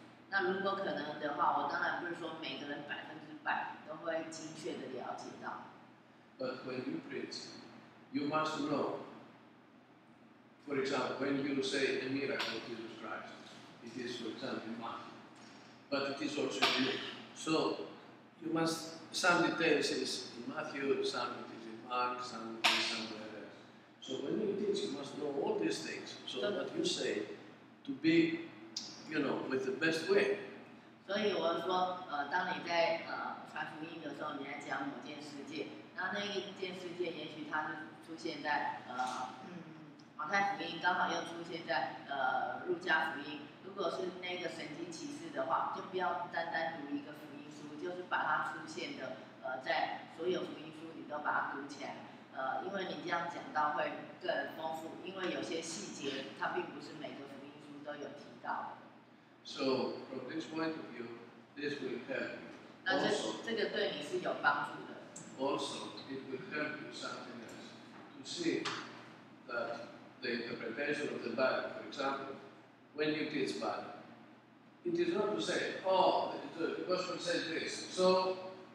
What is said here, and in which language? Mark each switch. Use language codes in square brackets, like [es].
[zh] 那如果可能的话，我当然不是说每个人百分之百都会精确的了解到。 [en] But when you preach, you must know. For example, when you say a miracle of Jesus Christ, it is for example Mark, but it is also in Luke. So you must some details is in Matthew, some it is in Mark, some it is somewhere. So when you teach, you must know all these things, so that you say to be, you know, with the best way. [zh] 所以我说，当你在传福音的时候，你在讲某件事件，那一件事件也许它是出现在马太福音，刚好又出现在路加福音。如果是那个神迹奇事的话，就不要单单读一个福音书，就是把它出现的在所有福音书里都把它读起来。因为你这样讲到会更丰富，因为有些细节它并不是每个福音书都有提到。 [en] So from this point of view, this will help. [zh] 那这个对你是有帮助的。 [en] Also, it will help you something else to see that the interpretation of the Bible, for example, when you teach Bible, it is not to say, oh, the gospel says this, so.